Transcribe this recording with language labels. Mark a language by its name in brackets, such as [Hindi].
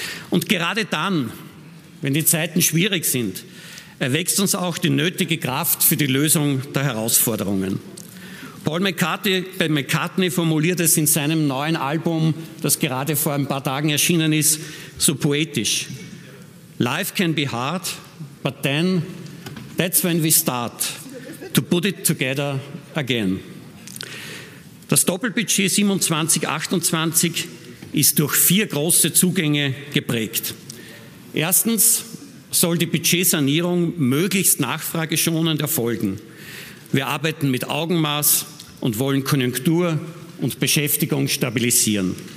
[German] Und gerade dann, wenn die Zeiten schwierig sind, erwächst uns auch die nötige Kraft für die Lösung der Herausforderungen. Paul McCartney formuliert es in seinem neuen Album, das gerade vor ein paar Tagen erschienen ist, so poetisch. [English] Life can be hard, but then that's when we start to put it together again. [German] Das Doppelbudget 27-28 ist durch vier große Zugänge geprägt. Erstens soll die Budgetsanierung möglichst nachfrageschonend erfolgen. Wir arbeiten mit Augenmaß und wollen Konjunktur und Beschäftigung stabilisieren.